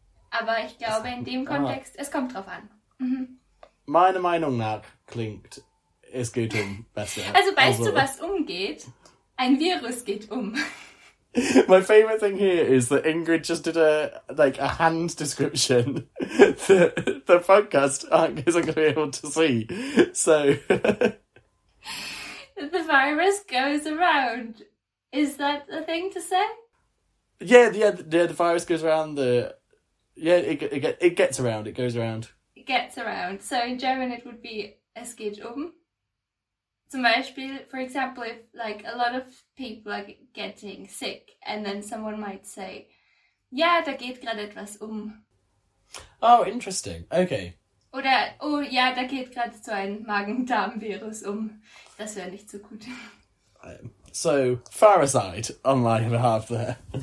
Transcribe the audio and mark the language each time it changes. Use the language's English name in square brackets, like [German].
[German] Aber ich glaube, in dem Kontext, es kommt drauf an. Mhm. Meiner Meinung nach klingt, es geht um besser. Also, weißt du, was umgeht? Ein Virus geht um. [English] My favorite thing here is that Ingrid just did a hand description that the podcast isn't going to be able to see. So the virus goes around. Is that a thing to say? Yeah, the virus goes around it goes around. It gets around. So in German it would be [German] es geht um. Zum Beispiel, [English] for example, if like a lot of people are getting sick and then someone might say, [German] ja, da geht gerade etwas um. [English] Oh, interesting. Okay. [German] Oder, oh ja, da geht gerade so ein Magen-Darm-Virus um. Das wäre nicht so gut. [English] So, far aside on my behalf there.